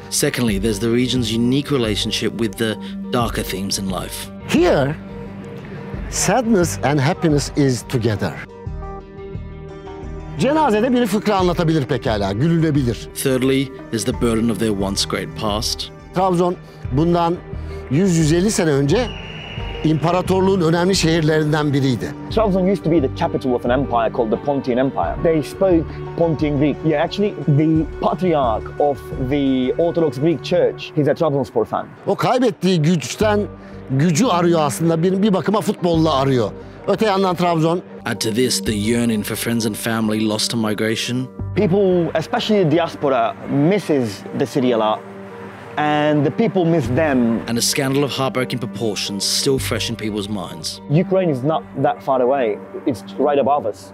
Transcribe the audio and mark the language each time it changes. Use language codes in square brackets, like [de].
[en] Secondly, there's the region's unique relationship with the darker themes in life. Here, sadness and happiness is together. [tr] Cenazede biri fıkra anlatabilir pekala, gülülebilir. [en] Thirdly, is the burden of their once great past. [tr] Trabzon bundan 100-150 sene önce imparatorluğun önemli şehirlerinden biriydi. [en] Trabzon used to be the capital of an empire called the Pontian Empire. They spoke Pontian Greek. Yeah, actually the patriarch of the Orthodox Greek Church, he's a Trabzonspor fan. [tr] O kaybettiği güçten gücü arıyor aslında, bir bakıma futbolla arıyor. Öte yandan Trabzon. [en] Add to this the yearning for friends and family lost to migration. People, especially the diaspora, misses the city a lot, and the people miss them. And a scandal of heartbreaking proportions still fresh in people's minds. Ukraine is not that far away. It's right above us.